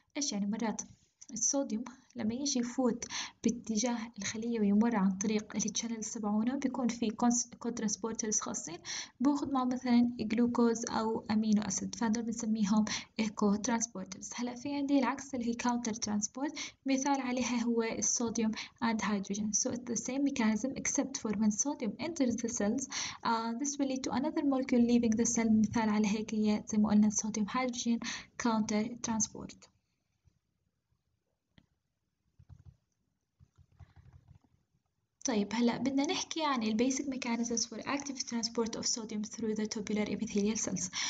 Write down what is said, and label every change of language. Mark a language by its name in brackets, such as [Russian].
[Arabic] إيش يعني؟ مرات الصوديوم لما يجي يفوت باتجاه الخلية ويمر عن طريق التشانل السبعونة بيكون في كوترانسبورترز خاصين بياخد معه مثلا جلوكوز أو أمينو أسيد، فهذول بنسميهم كوترانسبورترز. هلا في عندي العكس اللي هي كاونتر ترانسبورت، مثال عليها هو الصوديوم and hydrogen. [English] so it's the same mechanism except for when sodium enters the cells this will lead to another molecule leaving the cell. [Arabic] مثال على هيك هي زي ما قلنا الصوديوم hydrogen كاونتر ترانسبورت. طيب هلا بدنا نحكي عن الـ [English] basic mechanisms for active transport of sodium through the tubular epithelial cells.